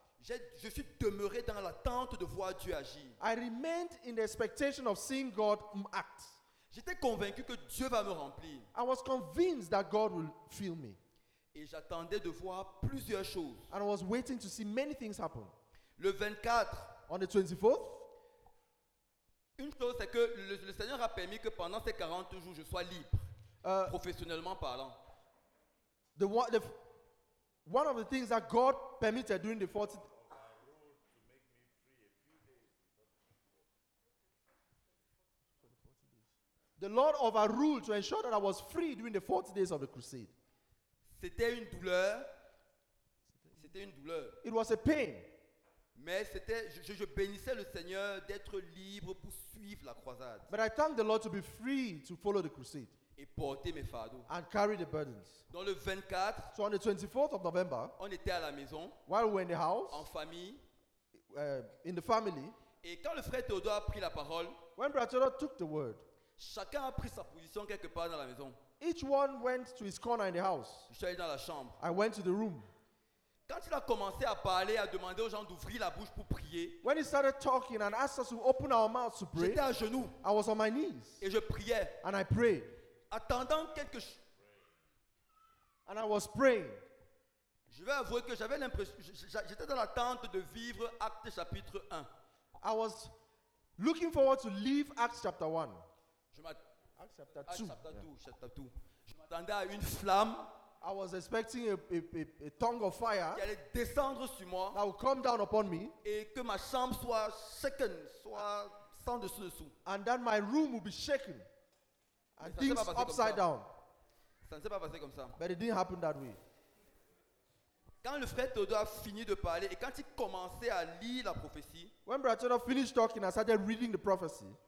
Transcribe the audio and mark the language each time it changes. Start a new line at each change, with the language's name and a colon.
French: je suis demeuré dans l'attente de voir Dieu agir.
English: I remained in the expectation of seeing God act.
French: J'étais convaincu que Dieu va me remplir.
English: I was convinced that God will fill me.
French: Et j'attendais de voir plusieurs choses.
English: And I was waiting to see many things happen.
French: Le 24.
English: On the 24th.
French: Une chose, c'est que le Seigneur a permis que pendant ces 40 jours, je sois libre, professionnellement parlant.
English: One of the things that God permitted during the 40 days. The Lord overruled to ensure that I was free during the 40 days of the crusade.
French: C'était une douleur. C'était une douleur.
English: It was a pain.
French: Mais c'était, je bénissais le Seigneur d'être libre pour suivre la croisade.
English: But I thank the Lord to be free to follow the crusade.
French: Et porter mes fardeaux.
English: And carry the burdens.
French: Dans le 24,
English: so on the 24th of November,
French: on était à la maison,
English: while we were in the house,
French: en famille,
English: in the family,
French: et quand le frère Théodore a pris la parole,
English: when Brother Théodore took the word,
French: chacun a pris sa position quelque part dans la maison.
English: Each one went to his corner in the house.
French: Je suis allé dans la chambre.
English: I went to the room.
French: Quand il a commencé à parler, à demander aux gens d'ouvrir la bouche pour prier,
English: when he started talking and asked us to open our mouths to pray,
French: j'étais à genoux.
English: I was on my knees.
French: Et je priais.
English: And I prayed.
French: Attendant quelque chose.
English: And I was praying.
French: Je vais avouer que j'avais l'impression, j'étais dans l'attente de vivre Actes chapitre 1.
English: I was looking forward to live Acts chapter 1. Acts chapter 2.
French: Je m'attendais à une flamme.
English: I was expecting a tongue of fire
French: qui allait descendre sur moi.
English: That would come down upon me.
French: Et que ma chambre soit shaken, soit sans dessus dessous.
English: And that my room would be shaken. And things upside down.
French: Ça ne s'est pas passé comme ça.
English: But it didn't happen that way.
French: Quand le frère Théodore a fini de parler et quand il commençait à lire la prophétie,
English: when Brother Théodore finished talking, I started reading the prophecy.